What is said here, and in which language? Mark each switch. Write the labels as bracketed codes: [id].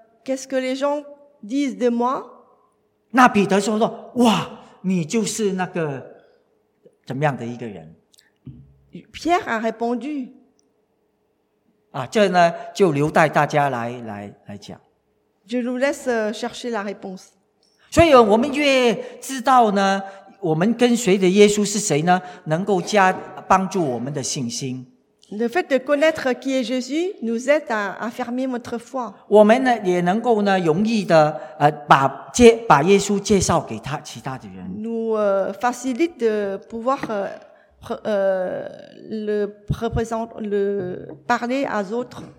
[fr] Qu'est-ce que les gens disent de moi? [zh] 那彼得说说，哇！你就是那个怎么样的一个人？ [fr] Pierre a répondu. [zh] 啊，这呢就留待大家来讲。 [fr] Je vous laisse chercher la réponse. [zh] 所以我们越知道呢，我们跟随的耶稣是谁呢，能够加帮助我们的信心。 [fr] Le fait de connaître qui est Jésus nous aide à affirmer notre foi. [zh] 我们呢也能够呢容易的把耶稣介绍给他其他的人。 [fr] Nous facilite de pouvoir le représenter le parler à d'autres.